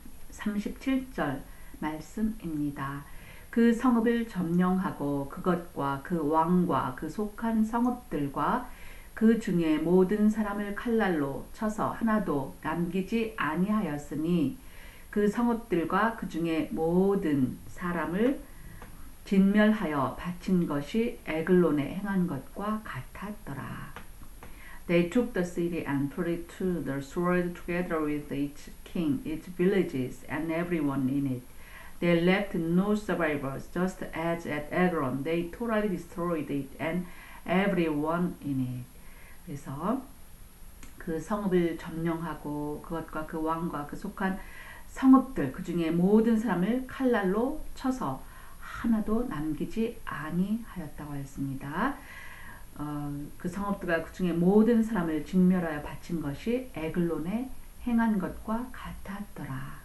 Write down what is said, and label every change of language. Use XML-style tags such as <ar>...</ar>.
<ko>37절 말씀입니다. 그 성읍을 점령하고 그것과 그 왕과 그 속한 성읍들과 그 중에 모든 사람을 칼날로 쳐서 하나도 남기지 아니하였으니 그 성읍들과 그 중에 모든 사람을 진멸하여 바친 것이 에글론에 행한 것과 같았더라.</ko> <en>They took the city and put it to the sword together with each king, its villages, and everyone in it. They left no survivors, just as at Eglon. They totally destroyed it and everyone in it.</en> <ko>그래서 그 성읍을 점령하고 그것과 그 왕과 그 속한 성읍들 그 중에 모든 사람을 칼날로 쳐서 하나도 남기지 아니하였다고 했습니다. 그 성읍들과 그 중에 모든 사람을 진멸하여 바친 것이 에글론에 행한 것과 같았더라.</ko>